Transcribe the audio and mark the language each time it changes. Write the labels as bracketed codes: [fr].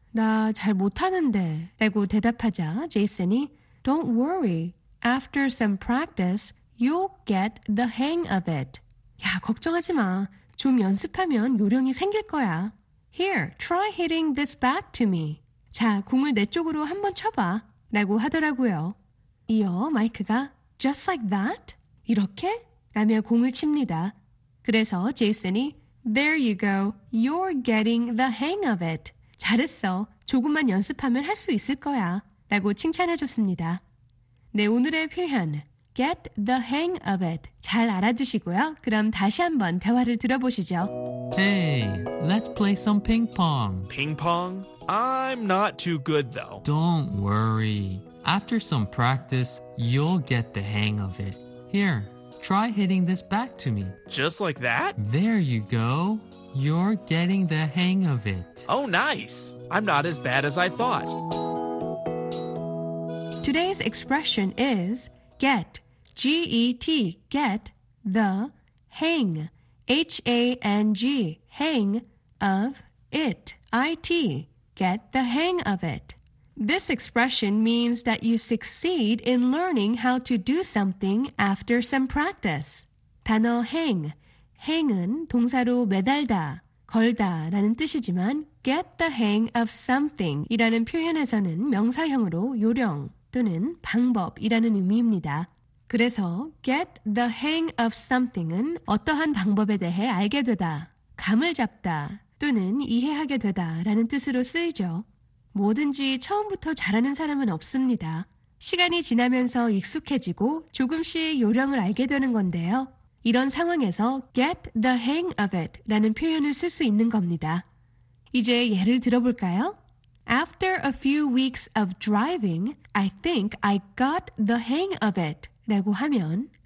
[ko] 나 잘 못하는데 라고 대답하자 제이슨이 [en] Don't worry. After some practice, you'll get the hang of it. [ko] 야, 걱정하지 마. 좀 연습하면 요령이 생길 거야. [en] Here, try hitting this back to me. [ko] 자, 공을 내 쪽으로 한번 쳐봐 라고 하더라고요. 이어 마이크가 [en] Just like that? [ko] 이렇게? 라며 공을 칩니다. 그래서 제이슨이 [en] There you go. You're getting the hang of it. [ko] 잘했어. 조금만 연습하면 할 수 있을 거야. 라고 칭찬해줬습니다. 네, 오늘의 표현 [en] Get the hang of it. [ko] 잘 알아두시고요. 그럼 다시 한번 대화를 들어보시죠. [en] Hey, let's play some ping pong. Ping pong? I'm not too good though. Don't worry. After some practice, you'll get the hang of it. Here. Try hitting this back to me. Just like that? There you go. You're getting the hang of it. Oh, nice. I'm not as bad as I thought. Today's expression is get, G-E-T, get the hang, H-A-N-G, hang of it, I-T, get the hang of it. This expression means that you succeed in learning how to do something after some practice. [ko] 단어 [en] hang, hang [ko] 은 동사로 매달다, 걸다 라는 뜻이지만 [en] get the hang of something [ko] 이라는 표현에서는 명사형으로 요령 또는 방법이라는 의미입니다. 그래서 [en] get the hang of something [ko] 은 어떠한 방법에 대해 알게 되다, 감을 잡다 또는 이해하게 되다 라는 뜻으로 쓰이죠. 뭐든지 처음부터 잘하는 사람은 없습니다. 시간이 지나면서 익숙해지고 조금씩 요령을 알게 되는 건데요. 이런 상황에서 [en] get the hang of it [ko] 라는 표현을 쓸 수 있는 겁니다. 이제 예를 들어볼까요? [en] After a few weeks of driving, I think I got the hang of it [ko] 라고 하면